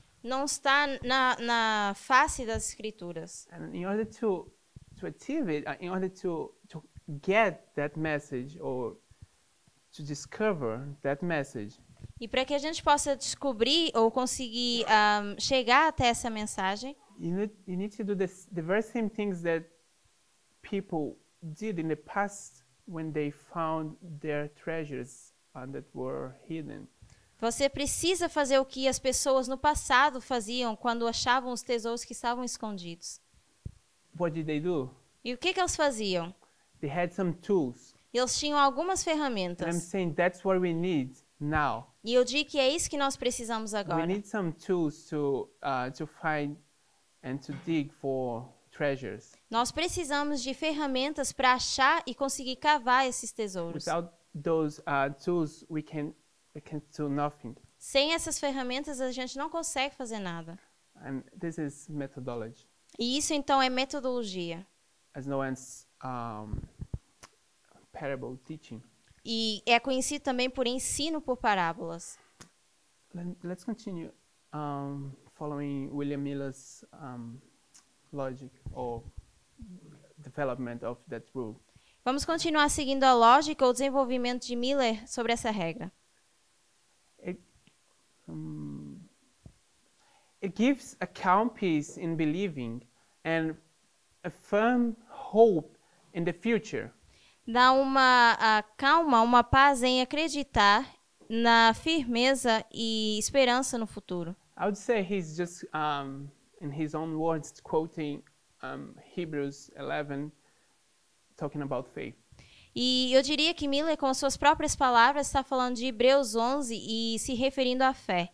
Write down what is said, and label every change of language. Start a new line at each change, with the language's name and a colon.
Portuguese: Não está na face das escrituras.
English: And in order to achieve it, in order to get that message or to discover that message.
Portuguese: E para que a gente possa descobrir ou conseguir chegar até essa mensagem,
English: you need to do the very same things that people did in the past when they found their treasures that were hidden.
Portuguese: Você precisa fazer o que as pessoas no passado faziam quando achavam os tesouros que estavam escondidos.
English: What did they do?
Portuguese: E o que eles faziam?
English: They had some tools.
Portuguese: Eles tinham algumas ferramentas.
English: And I'm saying that's what we need. Now.
Portuguese: E eu digo que é isso que nós precisamos agora.
English: We need some tools to find and to dig for treasures.
Portuguese: Nós precisamos de ferramentas para achar e conseguir cavar esses tesouros.
English: Without those tools, we can do nothing.
Portuguese: Sem essas ferramentas, a gente não consegue fazer nada.
English: And this is methodology.
Portuguese: E isso então é metodologia.
English: as Noam's parable teaching.
Portuguese: E é conhecido também por ensino por parábolas.
English: Let's continue following William Miller's logic or development of that rule.
Portuguese: Vamos continuar seguindo a lógica ou desenvolvimento de Miller sobre essa regra.
English: It gives a calm peace in believing and a firm hope in the future.
Portuguese: Dá uma calma, uma paz em acreditar na firmeza e esperança no futuro.
English: I would say he's just, in his own words, quoting Hebrews 11, talking about faith.
Portuguese: E eu diria que Miller, com as suas próprias palavras, está falando de Hebreus 11 e se referindo à fé.